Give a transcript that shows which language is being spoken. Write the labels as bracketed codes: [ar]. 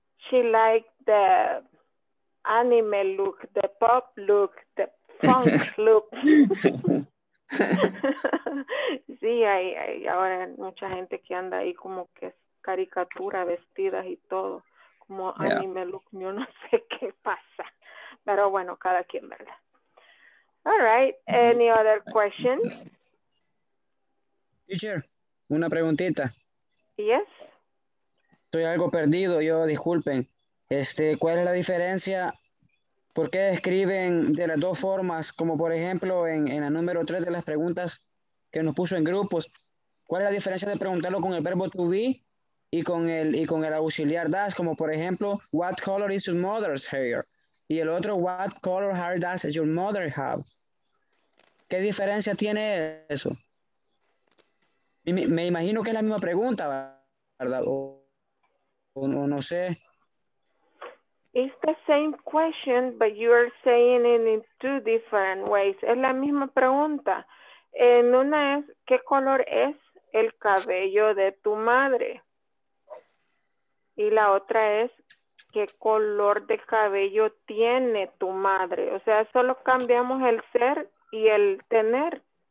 [en] She liked the anime look, the pop look, the funk look. [es] Sí, hay ahora mucha gente que anda ahí como que es caricatura, vestidas y todo, como anime look, yo no sé qué pasa, pero bueno, cada quien, ¿verdad? [en] All right, any other questions? [es] Teacher, una preguntita. [en] Yes. [es] Estoy algo perdido, yo disculpen. ¿Cuál es la diferencia? ¿Por qué escriben de las dos formas, como por ejemplo en la número 3 de las preguntas que nos puso en grupos? ¿Cuál es la diferencia de preguntarlo con el verbo to be y con el auxiliar does? Como por ejemplo, [en] what color is your mother's hair? [es] Y el otro, [en] what color hair does your mother have? [es] ¿Qué diferencia tiene eso? Me imagino que es la misma pregunta, ¿verdad? O no sé. [en] It's the same question, but you are saying it in two different ways. [es] Es la misma pregunta. En una es, ¿qué color es el cabello de tu madre? Y la otra es, ¿qué color de cabello tiene tu madre? O sea, solo cambiamos el ser y el tener.